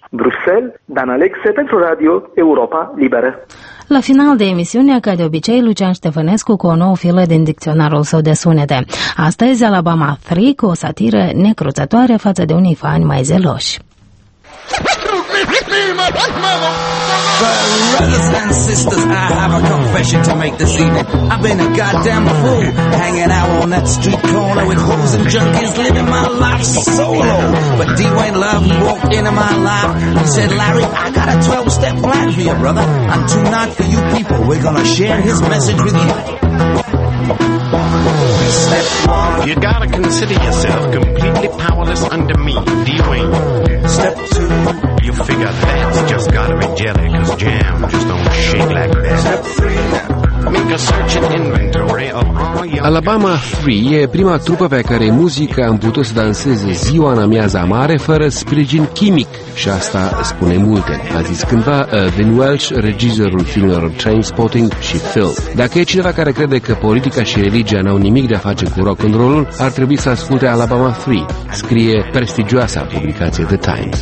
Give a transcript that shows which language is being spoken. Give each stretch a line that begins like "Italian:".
Romanian: Bruxelles, Dan Alexe pentru Radio Europa Liberă. La final de emisiune, ca de obicei, Lucian Ștefănescu cu o nouă filă din dicționarul său de sunete. Astăzi, Alabama 3 cu o satiră necruțătoare față de unii fani mai zeloși.
English: Brothers and sisters, I have a confession to make this evening. I've been a goddamn fool, hanging out on that street corner with hoes and junkies, living my life solo. But D-Wayne Love walked into my life and said, Larry, I got a 12-step plan for you, brother. And tonight for you people, we're gonna share his message with you. Step one, you gotta consider yourself completely powerless under me, D-Wayne. Step two, you figure that's just gotta be jelly, cause jam just don't shake like that. Step three, make a search and inventory of all your...
Romanian: Alabama 3 e prima trupă pe care muzica am putut să danseze ziua în amiaza mare fără sprijin chimic. Și asta spune multe, a zis cândva Vin Welsh, regizorul filmelor Trainspotting și Phil. Dacă e cineva care crede că politica și religia n-au nimic de a face cu rock and roll-ul, ar trebui să asculte Alabama 3, scrie prestigioasa publicație The Times.